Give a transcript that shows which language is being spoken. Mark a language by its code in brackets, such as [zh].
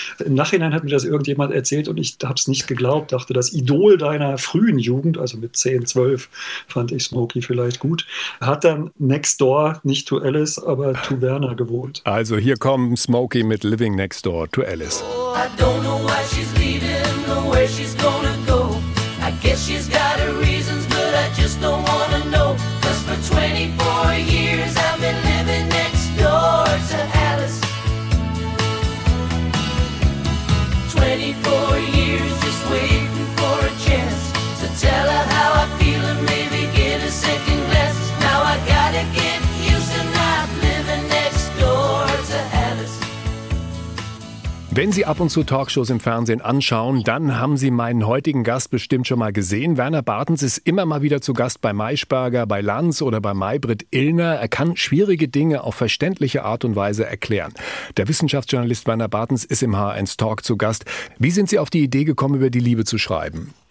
[de] Im Nachhinein hat mir das irgendjemand erzählt und ich habe es nicht geglaubt, dachte, das Idol deiner frühen Jugend, also mit 10, 12 fand ich Smokey vielleicht gut, hat dann [en] next door, [de] nicht [en] to Alice, [de] aber [en] to Werner [de] gewohnt. Also hier kommt Smokey mit Living Next Door to Alice. [en] Oh, I don't know why she's leaving or where she's gonna go. I guess she's got her reasons, but I just don't wanna know. 'Cause for 24 years I've been living next door to Alice. 24 years just waiting for a chance to tell her how I feel and maybe get a second glance. Now I gotta get used to not living next door to Alice. [de] Wenn Sie ab und zu Talkshows im Fernsehen anschauen, dann haben Sie meinen heutigen Gast bestimmt schon mal gesehen. Werner Bartens ist immer mal wieder zu Gast bei Maischberger, bei Lanz oder bei Maybrit Illner. Er kann schwierige Dinge auf verständliche Art und Weise erklären. Der Wissenschaftsjournalist Werner Bartens ist im HR1 Talk zu Gast. Wie sind Sie auf die Idee gekommen, über die Liebe zu schreiben?